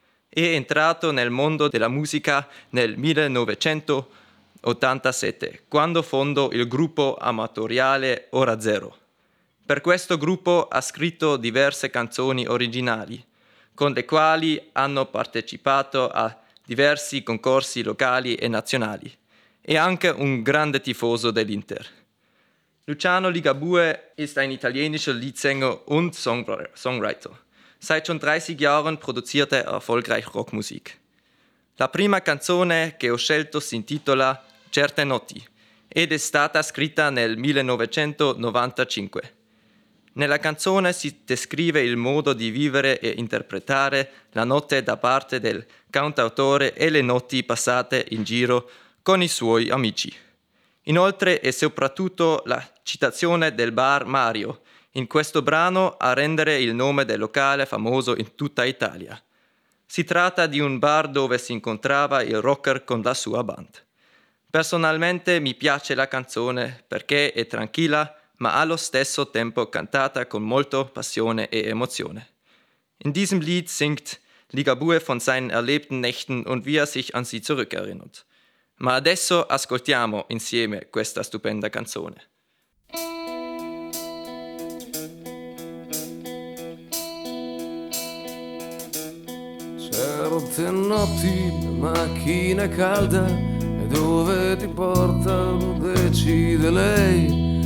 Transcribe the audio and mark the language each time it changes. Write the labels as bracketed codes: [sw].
[it] È entrato nel mondo della musica nel 1987, quando fondò il gruppo amatoriale Ora Zero. Per questo gruppo ha scritto diverse canzoni originali, con le quali hanno partecipato a diversi concorsi locali e nazionali. È anche un grande tifoso dell'Inter. [de] Luciano Ligabue ist ein italienischer Liedsänger und Songwriter. Seit schon 30 Jahren produziert er erfolgreich Rockmusik. [it] La prima canzone che ho scelto si intitola Certe Notti ed è stata scritta nel 1995. Nella canzone si descrive il modo di vivere e interpretare la notte da parte del cantautore e le notti passate in giro con i suoi amici. Inoltre è soprattutto la citazione del bar Mario in questo brano a rendere il nome del locale famoso in tutta Italia. Si tratta di un bar dove si incontrava il rocker con la sua band. Personalmente mi piace la canzone perché è tranquilla, ma allo stesso tempo cantata con molto passione e emozione. [de] In diesem Lied singt Ligabue von seinen erlebten Nächten und wie er sich an sie zurückerinnert. [it] Ma adesso ascoltiamo insieme questa stupenda canzone. Certe notti, macchina calda, e dove ti porta lo decide lei.